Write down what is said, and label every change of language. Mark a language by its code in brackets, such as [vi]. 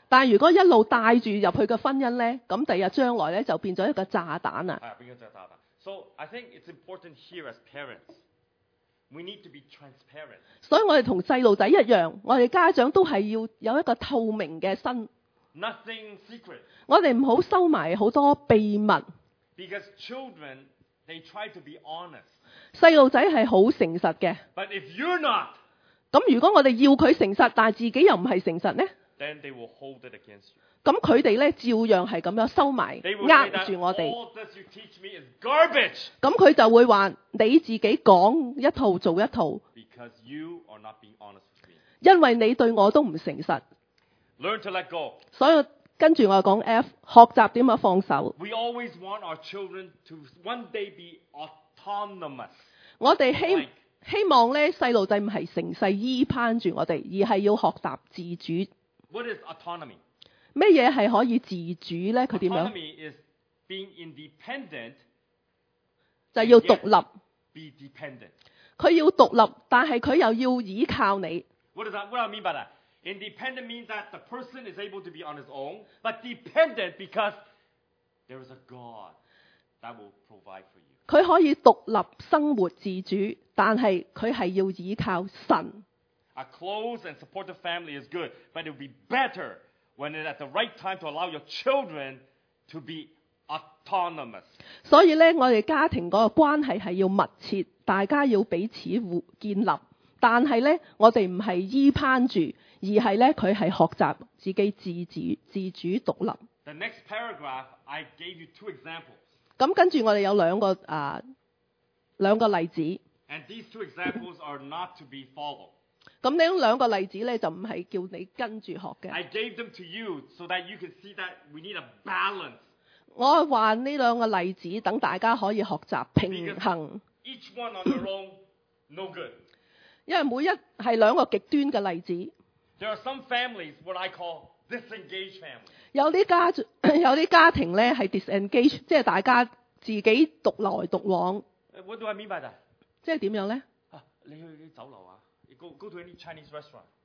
[yue] 但如果一路帶住入去嘅婚姻咧，咁第日將來咧就變咗一個炸彈啦。係啊，變咗炸彈。 [en] So I think it's important here as parents, we need to be transparent. [yue] 所以我哋同細路仔一樣，我哋家長都係要有一個透明嘅身。 [en] Nothing secret. [yue] 我哋唔好收埋好多秘密。 [en] Because children, they try to be honest. [yue] 細路仔係好誠實嘅。 [en] But if you're not. [yue] 咁如果我哋要佢誠實，但自己又唔係誠實呢？ [en] Then they will hold it against you. [yue] 咁佢哋咧照樣係咁樣收埋，壓住我哋。 [en] All this you teach me is garbage. [yue] 咁佢就會話你自己講一套做一套。 [en] Because you are not being honest with me. [yue] 因為你對我都唔誠實。 [en] Learn to let go. [yue] 所以跟住我講 F， 學習點樣放手。 [en] We always want our children to one day be autonomous. [yue] 我哋希望咧，細路仔唔係成世依攀住我哋，而係要學習自主。 [en] What is autonomy？ [yue] 咩嘢係可以自主咧？佢點樣 [en] ？Autonomy is being independent， [yue] 就要獨立。 [en] Be dependent。 [yue] 佢要獨立，但係佢又要依靠你。 [en] What does that? What do I mean by that? Independent means that the person is able to be on his own, but dependent because there is a God that will provide for you. [yue] 佢可以獨立生活自主，但係佢係要依靠神。 [en] A close and supportive family is good, but it would be better when it's at the right time to allow your children to be autonomous. [yue] 所以咧，我哋家庭嗰個關係係要密切，大家要彼此互建立。但係咧，我哋唔係依攀住，而係咧佢係學習自己自主獨立。 [en] The next paragraph, I gave you two examples. [yue] 咁跟住我哋有兩個兩個例子。 [en] And these two examples are not to be followed。 [yue] 咁呢兩個例子咧就唔係叫你跟住學嘅。 [en] I gave them to you so that you can see that we need a balance。 [yue] 我話呢兩個例子等大家可以學習平衡。 [en] Because each one on their own, no good。 [yue] 因為每一係兩個極端嘅例子。 [en] There are some families what I call disengaged families。 [yue] 有些家庭咧係 disengage， 即係大家自己獨來獨往。 [en] What do I mean by that？ [yue] 即係點樣咧？你去啲酒樓啊 [en] ？Go to any Chinese restaurant。